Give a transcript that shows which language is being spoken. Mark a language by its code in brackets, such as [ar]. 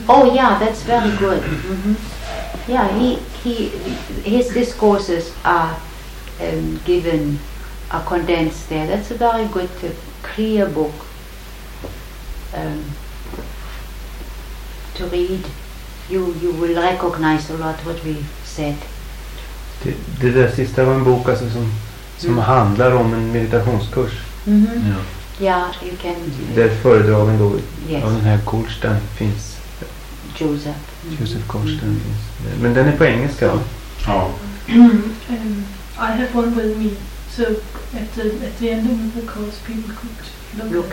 [en] Oh yeah, that's very good. Yeah, his discourses are given. Are condensed there. That's a very good, clear book to read. You will recognize a lot what we said. [sv] Det där sista var en bok alltså som handlar om en meditationskurs. [en] You can. [sv] Där föredragen då av den här Goldstein finns. Joseph. Joseph Goldstein. Men den är på engelska, va? Ja. [en] I have one with me. So at the end of the course, people could look